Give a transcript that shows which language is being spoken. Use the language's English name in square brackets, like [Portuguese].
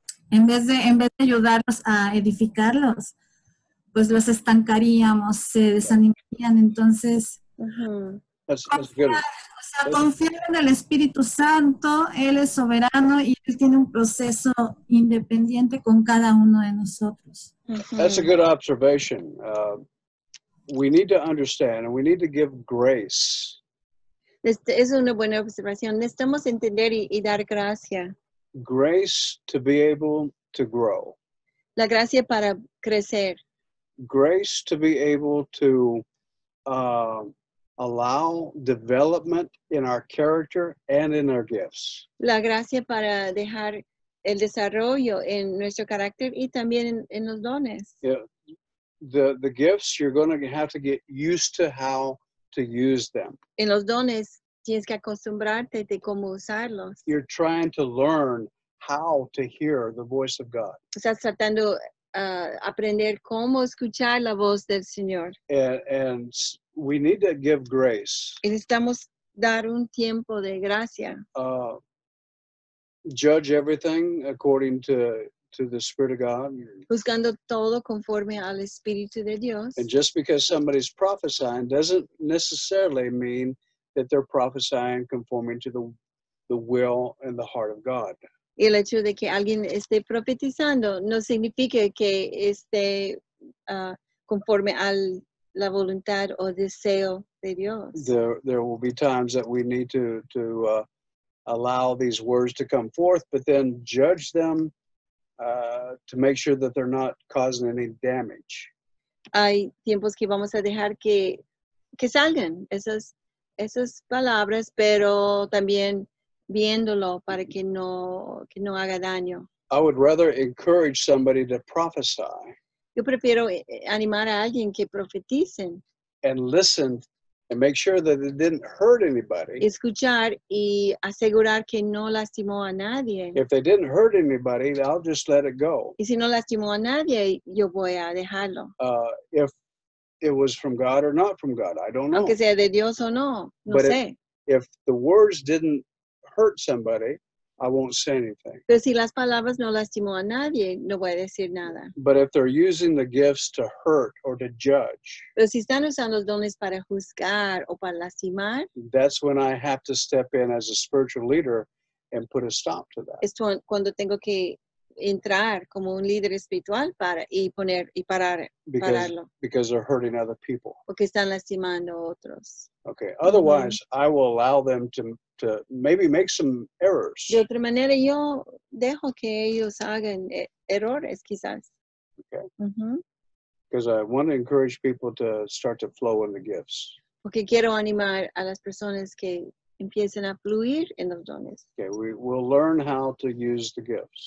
[Spanish] En vez de ayudarlos a edificarlos, pues, los estancaríamos, se desanimarían. Entonces, confiar en el Espíritu Santo, Él es soberano y Él tiene un proceso independiente con cada uno de nosotros. [English] That's a good observation. We need to understand and we need to give grace. [Spanish] Es una buena observación. Necesitamos entender y dar gracia. [English] Grace to be able to grow. [Spanish] La gracia para crecer. [English] Grace to be able to allow development in our character and in our gifts. [Spanish] La gracia para dejar el desarrollo en nuestro carácter y también en los dones. [English] Yeah. The gifts, you're going to have to get used to how to use them. [Spanish] En los dones, tienes que acostumbrarte de cómo usarlos. [English] You're trying to learn how to hear the voice of God. [Spanish] Estás tratando aprender cómo escuchar la voz del Señor. [English] And we need to give grace. [Spanish] Necesitamos dar un tiempo de gracia. [English] Judge everything according to the Spirit of God. [Spanish] Juzgando todo conforme al Espíritu de Dios. [English] And just because somebody's prophesying doesn't necessarily mean that they're prophesying conforming to the will and the heart of God. [Spanish] Y el hecho de que alguien esté profetizando no significa que esté conforme a la voluntad o deseo de Dios. [English] There will be times that we need to allow these words to come forth, but then judge them to make sure that they're not causing any damage. [Spanish] Hay tiempos que vamos a dejar que salgan esas palabras, pero también viéndolo para que no haga daño. [English] I would rather encourage somebody to prophesy. [Spanish] Yo prefiero animar a alguien que profeticen. [English] And listen and make sure that it didn't hurt anybody. [Spanish] Escuchar y asegurar que no lastimó a nadie. [English] If they didn't hurt anybody, I'll just let it go. [Spanish] Y si no lastimó a nadie, yo voy a dejarlo. [English] If it was from God or not from God, I don't know. [Spanish] Aunque sea de Dios o no [English] but [Spanish] sé. [English] If the words didn't hurt somebody, I won't say anything. [Spanish] Pero si las palabras no lastimó a nadie, no voy a decir nada. [English] But if they're using the gifts to hurt or to judge, [Spanish] pero si están usando los dones para juzgar o para lastimar, [English] that's when I have to step in as a spiritual leader and put a stop to that. [Spanish] Es cuando tengo que entrar como un líder espiritual pararlo. [English] Because they're hurting other people. [Spanish] Porque están lastimando a otros. [English] Okay, otherwise I will allow them to maybe make some errors. [Spanish] De otra manera, yo dejo que ellos hagan errores, quizás. [English] Okay. Because I want to encourage people to start to flow in the gifts. [Spanish] Porque quiero animar a las personas que empiecen a fluir en los dones. [English] Okay, we'll learn how to use the gifts.